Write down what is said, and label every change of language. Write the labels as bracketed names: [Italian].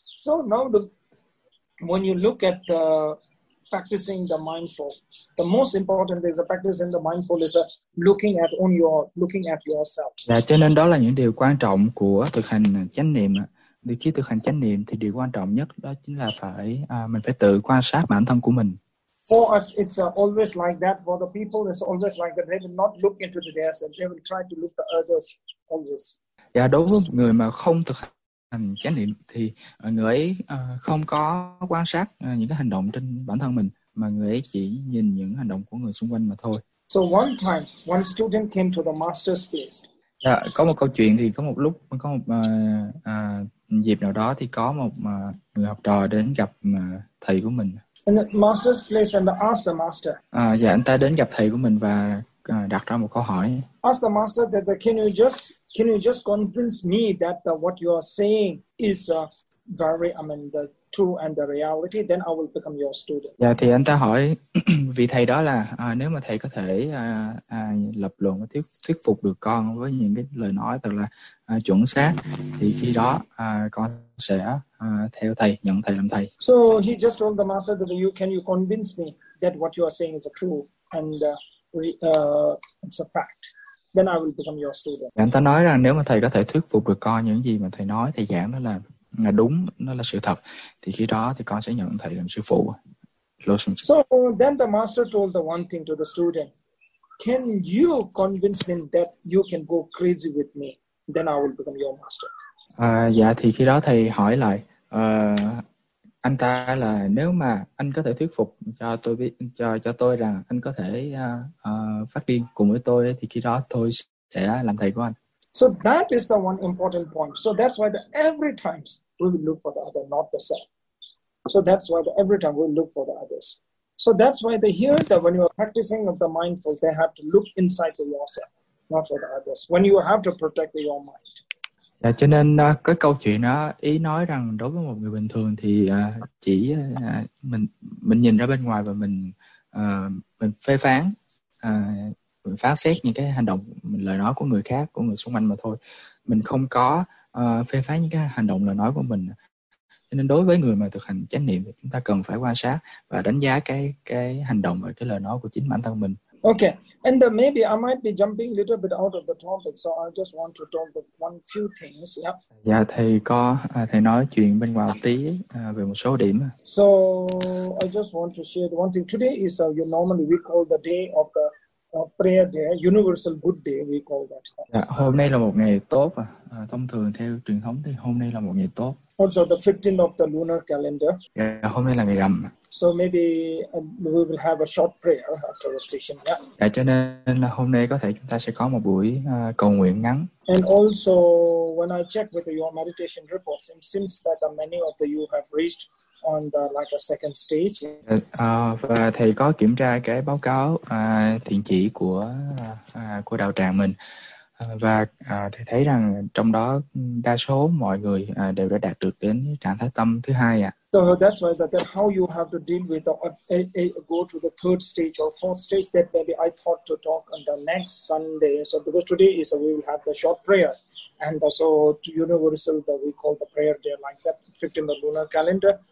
[English] So now the when you look at the practicing the mindful, the most important is the practicing the mindful is looking at on your looking at yourself. [Vietnamese] Dạ, cho nên đó là những điều quan trọng của thực hành chánh niệm. Thì khi thực hành chánh niệm thì điều quan trọng nhất đó chính là phải mình phải tự quan sát bản thân của mình. [English] For us it's always like that. For the people it's always like that. They will not look into the theirs and they will try to look the others always. [Vietnamese] Dạ, đối với người mà không thực hành chánh niệm thì người ấy không có quan sát những cái hành động trên bản thân mình mà người ấy chỉ nhìn những hành động của người xung quanh mà thôi. [English] So one time, one student came to the master's place. [Vietnamese] Dạ, có một câu chuyện thì có một lúc có một dịp nào đó thì có một người học trò đến gặp thầy của mình. [English] In the master's place and ask the master. [Vietnamese] Dạ, anh ta đến gặp thầy của mình và đặt ra một câu hỏi. [English] Ask the master that can you just convince me that what you are saying is very the true and the reality, then I will become your student. [Vietnamese] Dạ, thì anh ta hỏi vị thầy đó là nếu mà thầy có thể lập luận và thuyết phục được con với những cái lời nói thật là chuẩn xác thì khi đó con sẽ theo thầy, nhận thầy làm thầy. [English] So he just told the master that can you convince me that what you are saying is a true and it's a fact. Then I will become your student. [Vietnamese] Anh ta nói rằng nếu mà thầy có thể thuyết phục được con những gì mà thầy nói, thầy giảng đó là đúng, nó là sự thật, thì khi đó thì con sẽ nhận thầy làm sư phụ. [English] So then the master told the one thing to the student. Can you convince me that you can go crazy with me? Then I will become your master. [Vietnamese] Dạ, thì khi đó thầy hỏi lại anh ta là nếu mà anh có thể thuyết phục cho tôi biết cho tôi rằng anh có thể phát điên cùng với tôi thì khi đó tôi sẽ làm thầy của anh. [English] So that is the one important point. So that's why every time we will look for the other, not the self. So that's why every time we look for the others. So that's why here that when you are practicing of the mindful, they have to look inside to yourself, not for the others. When you have to protect your mind. [Vietnamese] Dạ, cho nên cái câu chuyện đó ý nói rằng đối với một người bình thường thì chỉ mình nhìn ra bên ngoài và mình phê phán mình phán xét những cái hành động lời nói của người khác, của người xung quanh mà thôi. Mình không có phê phán những cái hành động lời nói của mình. nên đối với người mà thực hành chánh niệm thì chúng ta cần phải quan sát và đánh giá cái hành động và cái lời nói của chính bản thân mình. [English] Okay, and maybe I might be jumping a little bit out of the topic, so I just want to talk about one few things. Yeah. [Vietnamese] Dạ, thầy có thầy nói chuyện bên ngoài tí về một số điểm. [English] So I just want to share one thing. Today is you normally we call the day of the prayer day, Universal Good Day, we call that. [Vietnamese] Dạ, hôm nay là một ngày tốt. Thông thường theo truyền thống thì hôm nay là một ngày tốt. [English] Also the 15th of the lunar calendar. [Vietnamese] Dạ, hôm nay là ngày rằm. [English] So maybe we will have a short prayer after the session. Yeah. [Vietnamese] Dạ, cho nên là hôm nay có thể chúng ta sẽ có một buổi cầu nguyện ngắn. [English] And also when I check with your meditation reports, it seems that many of you have reached on the like a second stage. [Vietnamese] Và thầy có kiểm tra cái báo cáo thiện chỉ của đạo tràng mình. Và thầy thấy rằng trong đó đa số mọi người đều đã đạt được đến trạng thái tâm thứ hai ạ. [English] So that's why that how you have to deal with go to the third stage or fourth stage, that maybe I thought to talk on the next Sunday. So because today is we will have the short prayer. And so universal that we call the prayer day like that, fit in the lunar calendar.